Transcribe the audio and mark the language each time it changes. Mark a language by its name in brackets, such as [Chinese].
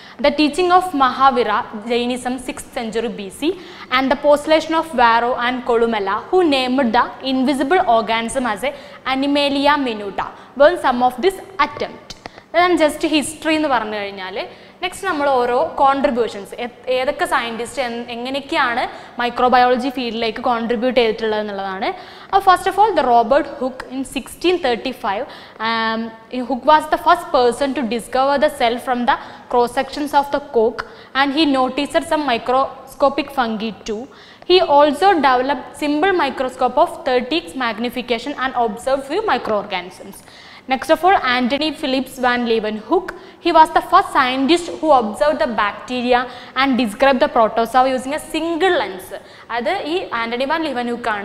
[English] The teaching of Mahavira Jainism 6th century BC and the postulation of Varro and Columella, who named the invisible organism as Animalia minuta, were some of this attempt. Then just history. Next, we have contributions. [Malayalam] ഏതൊക്കെ scientist എങ്ങനെയാണ് microbiology ഫീൽഡിലേക്ക് contribute ചെയ്തിട്ടുള്ളത് എന്നുള്ളതാണ്. [English] First of all, the Robert hook in 1635, hook was the first person to discover the cell from the cross sections of the coke and he നോട്ടീസഡ് some microscopic fungi to. He also developed simple microscope of 30x magnification and observe few micro organisms. Next of all, Antony Phillips van Leeuwenhoek. He was the first scientist who observed the bacteria and described the protozoa using a single lens. That is Antony van Leeuwenhoek.